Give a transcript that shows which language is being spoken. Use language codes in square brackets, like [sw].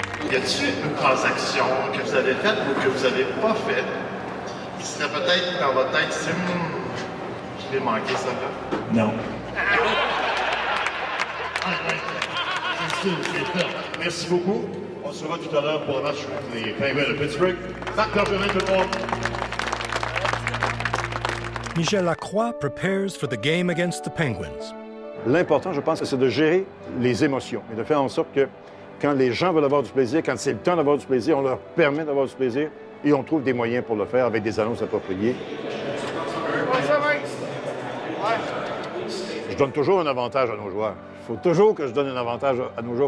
[fr] Y a-t-il une transaction que vous avez faite ou que vous n'avez pas faite qui serait peut-être dans votre tête, si je l'ai manqué ça là? Non. Merci beaucoup. On se revoit tout à l'heure pour le match contre les Penguins de Pittsburgh. Marc Bergevin, tout le monde. [en] Michel Lacroix prepares for the game against the Penguins. [fr] L'important, je pense, c'est de gérer les émotions et de faire en sorte que quand les gens veulent avoir du plaisir, quand c'est le temps d'avoir du plaisir, on leur permet d'avoir du plaisir et on trouve des moyens pour le faire avec des annonces appropriées. Je donne toujours un avantage à nos joueurs. Il faut toujours que je donne un avantage à nos joueurs.